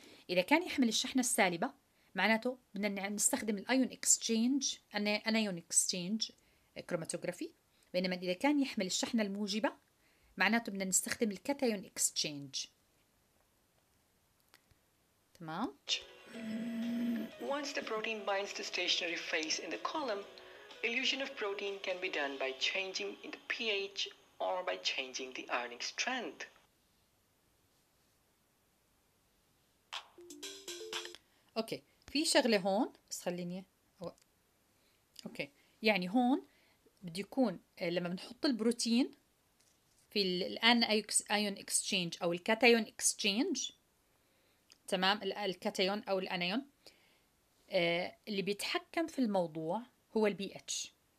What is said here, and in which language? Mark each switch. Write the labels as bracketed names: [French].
[Arabic] إذا كان يحمل الشحنة السالبة معناته بدنا نستخدم الion exchange anion exchange chromatography، بينما إذا كان يحمل الشحنة الموجبة معناته بدنا نستخدم الكاتايون اكسشينج. تمام. [English] Once the protein binds to stationary phase in the column, elution of protein can be done by changing in the pH or by changing the ionic strength. [Arabic] اوكي، في شغله هون بس خليني اوكي، يعني هون بده يكون لما بنحط البروتين في الان ايون اكسشينج او الكاتايون اكسشينج، تمام، الكاتايون او الانايون اللي بيتحكم في الموضوع هو البي اتش.